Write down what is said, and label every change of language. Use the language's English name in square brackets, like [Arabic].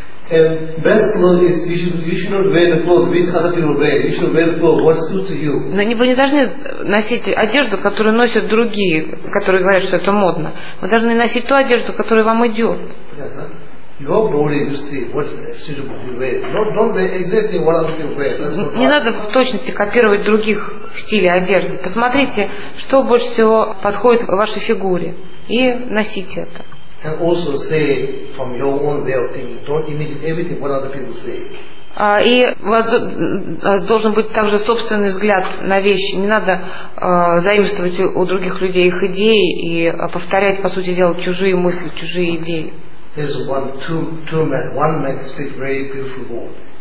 [English] And best clothes is you should not wear the clothes which other people wear. You should wear the clothes what suits to you. [Russian] Но вы не должны носить одежду, которую носят другие, которые говорят, что это модно. Вы должны носить ту одежду, которая вам идет. [English] Your body, you see, what's suitable to wear. Don't wear exactly what other people wear. [Russian] Не надо в точности копировать других в стиле одежды. Посмотрите, что больше всего подходит вашей фигуре и носите это. [English] And also say from your own way of thinking, don't imitate everything what other people say. [Russian] И у вас должен быть также собственный взгляд на вещи. Не надо заимствовать у других людей их идеи и повторять, по сути дела, чужие мысли, чужие идеи. [English] There's two men. One man speak very beautiful word.